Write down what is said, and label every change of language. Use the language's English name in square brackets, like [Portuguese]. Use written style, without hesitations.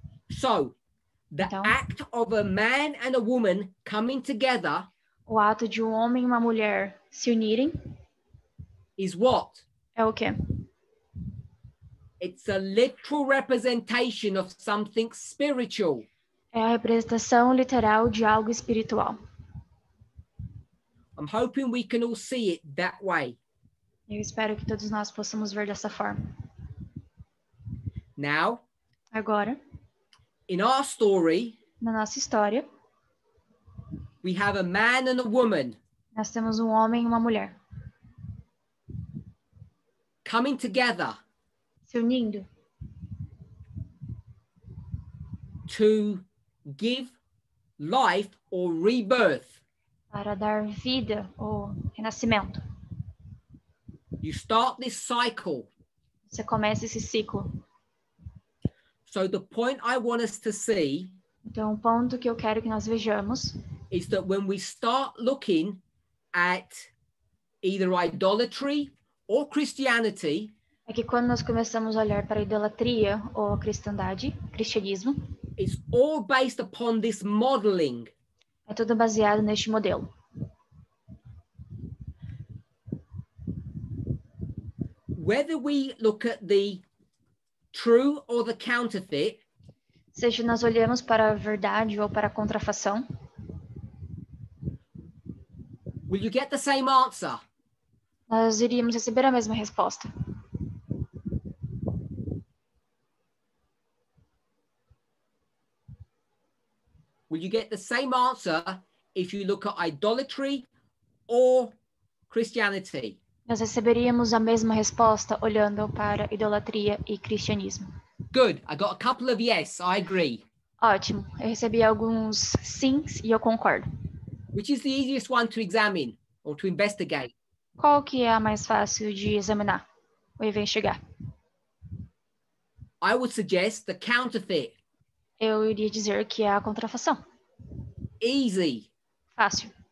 [English] So, the então, act of a man and a woman coming together, [Portuguese] o ato de homem e uma mulher se unirem, [English] is what? [Portuguese] É o quê? [English] It's a literal representation of something spiritual. [Portuguese] É a representação literal de algo espiritual. [English] I'm hoping we can all see it that way. [Portuguese] Eu espero que todos nós possamos ver dessa forma. [English] Now, [Portuguese] agora, [English] in our story, [Portuguese] na nossa história, [English] we have a man and a woman. [Portuguese] Nós temos homem e uma mulher. [English] coming together. [Portuguese] Se unindo. [English] To give life or rebirth. [Portuguese] Para dar vida ou renascimento. [English] You start this cycle. [Portuguese] Você começa esse ciclo. [English] So the point I want us to see. [Portuguese] Então, o ponto que eu quero que nós vejamos. [English] Is that when we start looking at either idolatry or Christianity. [Portuguese] É que quando nós começamos a olhar para a idolatria ou a cristandade, cristianismo. [English] It's all based upon this modeling. [Portuguese] É tudo baseado neste modelo. [English] Whether we look at the true or the counterfeit, [Portuguese] seja nós olhamos para a verdade ou para a contrafação, [English] will you get the same answer? [Portuguese] Nós iríamos receber a mesma resposta. [English] Will you get the same answer if you look at idolatry or Christianity? [Portuguese] Nós receberíamos a mesma resposta olhando para idolatria e cristianismo. [English] Good. I got a couple of yes. I agree. [Portuguese] Ótimo. Eu recebi alguns sims e eu concordo. [English] Which is the easiest one to examine or to investigate? [Portuguese] Qual que é a mais fácil de examinar ou investigar? [English] I would suggest the counterfeit. [Portuguese] Eu iria dizer que é a contrafação. [English] Easy. [Portuguese] Fácil.